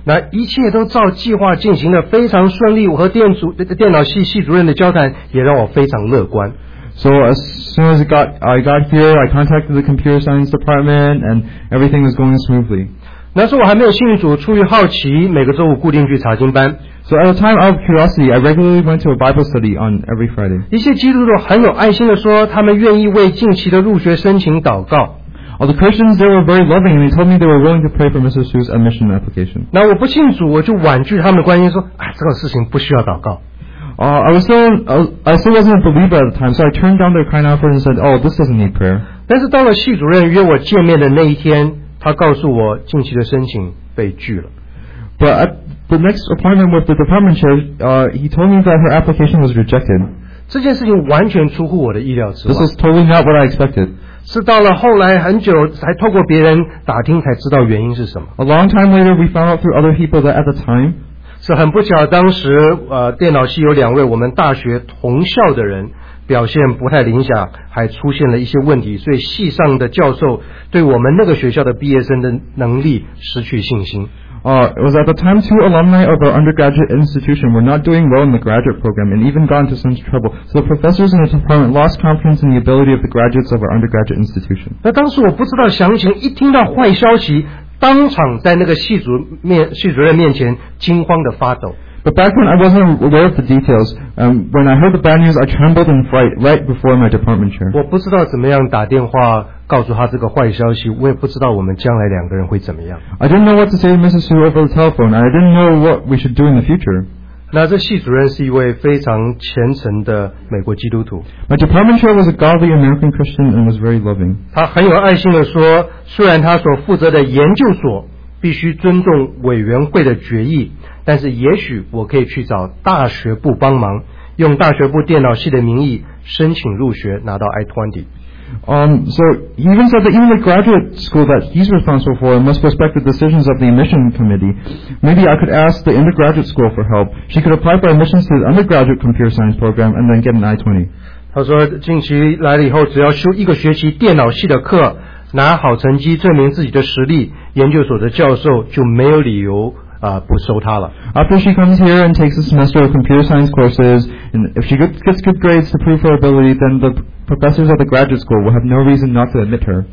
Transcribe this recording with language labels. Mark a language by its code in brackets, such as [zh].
[zh] 那一切都照计划进行的非常顺利，我和电脑系主任的交谈也让我非常乐观。 [en] So as soon as I got here, I contacted the computer science department, and everything was going smoothly. [zh] 那时候我还没有信主，出于好奇，每个周五固定去查经班。 [en] So at a time of curiosity, I regularly went to a Bible study on every Friday. [zh] 一些基督徒很有爱心地说，他们愿意为近期的入学申请祷告。 [en] All the Christians, they were very loving, and they told me they were willing to pray for Mrs. Su's admission application. [zh] 那我不信主，我就婉拒他们的关心，说，哎，这个事情不需要祷告。 [en] I still wasn't a believer at the time, so I turned down their kind offer and said, oh, this doesn't need prayer. [zh] 但是到了系主任约我见面的那一天，他告诉我近期的申请被拒了。 [en] But at the next appointment with the department chair, he told me that her application was rejected. [zh] 这件事情完全出乎我的意料之外。 [en] This is totally not what I expected. [zh] 是到了后来很久才透过别人打听才知道原因是什么。 [en] A long time later, we found out through other people that at the time, [zh] 是很不巧，当时电脑系有两位我们大学同校的人。表现不太理想，还出现了一些问题，所以系上的教授对我们那个学校的毕业生的能力失去信心。 [en] It was at the time two alumni of our undergraduate institution were not doing well in the graduate program and even got into some trouble. So the professors in the department lost confidence in the ability of the graduates of our undergraduate institution. [zh] 那当时我不知道详情，一听到坏消息，当场在那个系主任面前惊慌的发抖。 [en] But back when I wasn't aware of the details, when I heard the bad news, I trembled in fright right before my department chair. [zh] 我不知道怎么样打电话告诉他这个坏消息，我也不知道我们将来两个人会怎么样。 [en] I didn't know what to say to Mrs. Su over the telephone. I didn't know what we should do in the future. [zh] 那这系主任是一位非常虔诚的美国基督徒。 [en] My department chair was a godly American Christian and was very loving. [zh] 他很有爱心地说，虽然他所负责的研究所必须尊重委员会的决议。但是也许我可以去找大学部帮忙，用大学部电脑系的名义申请入学，拿到 I-20. [en] So he even said that even the graduate school that he's responsible for must respect the decisions of the admission committee. Maybe I could ask the undergraduate school for help. She could apply for admissions to the undergraduate computer science program and then get an I-20. [zh] 他说近期来了以后，只要修一个学期电脑系的课，拿好成绩证明自己的实力，研究所的教授就没有理由。不收他了。 [en] After she comes here and takes a semester of computer science courses, and if she gets good grades to prove her ability, then the professors at the graduate school will have no reason not to admit her.